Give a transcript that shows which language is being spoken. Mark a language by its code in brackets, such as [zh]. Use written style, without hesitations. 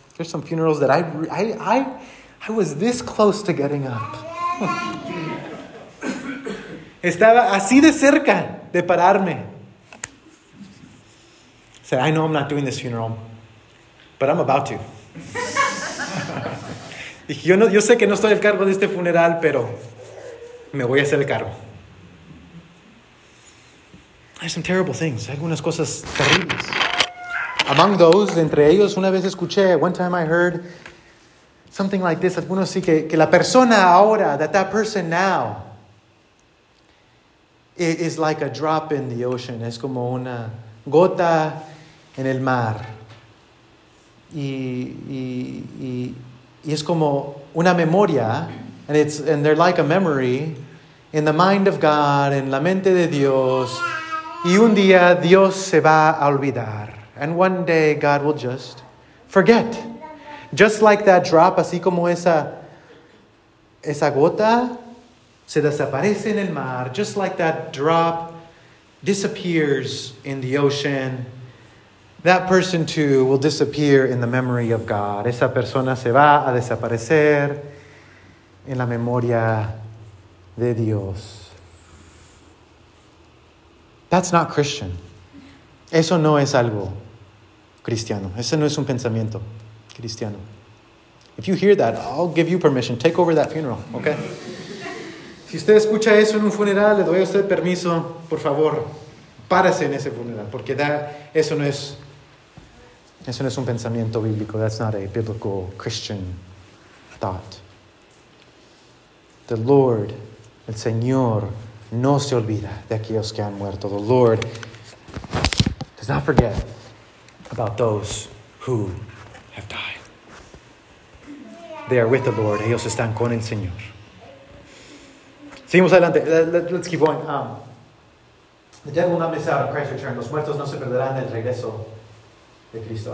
[en] There's some funerals that I was this close to getting up. [es] Estaba así de cerca de pararme. [en] Said, I know I'm not doing this funeral, but I'm about to. [es] Dije, yo sé que no estoy al cargo de este funeral, pero me voy a hacer el cargo. [en] There's some terrible things. [es] Hay algunas cosas terribles. [en] Among those, [es] entre ellos, una vez escuché, [en] one time I heard something like this. [es] Algunos sí que la persona ahora, [en] that person now, [es] is like a drop in the ocean. Es como una gota en el mar. Y es como una memoria. [en] And they're like a memory in the mind of God, [es] en la mente de Dios. Y un día Dios se va a olvidar. [en] And one day God will just forget. Just like that drop, [es] así como esa gota se desaparece en el mar. [en] Just like that drop disappears in the ocean, that person too will disappear in the memory of God. [es] Esa persona se va a desaparecer en la memoria de Dios. [en] That's not Christian. [es] Eso no es algo cristiano. Ese no es un pensamiento cristiano. [en] If you hear that, I'll give you permission. Take over that funeral, okay? [es] Si usted escucha eso en un funeral, le doy a usted permiso, por favor, párese en ese funeral, porque eso no es un pensamiento bíblico. [en] That's not a biblical Christian thought. The Lord, [es] el Señor, no se olvida de aquellos que han muerto. [en] The Lord does not forget about those who have died. They are with the Lord. [es] Ellos están con el Señor. Seguimos adelante. [en] Let's keep going. The dead will not miss out on Christ's return. [es] Los muertos no se perderán el regreso de Cristo.